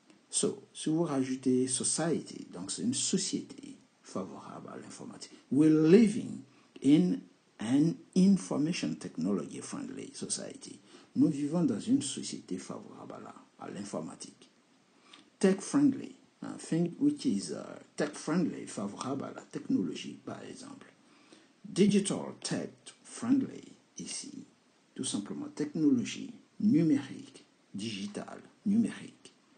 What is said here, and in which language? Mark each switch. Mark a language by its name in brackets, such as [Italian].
[French] So, si vous rajoutez society, donc c'est une société favorable à l'informatique. [English] We're living in an information technology friendly society. [French] Nous vivons dans une société favorable à l'informatique. [English] Tech friendly, un thing which is tech friendly, [French] favorable à la technologie, par exemple. [English] Digital tech friendly, [French] ici, tout simplement, technologie numérique, digitale, numérique.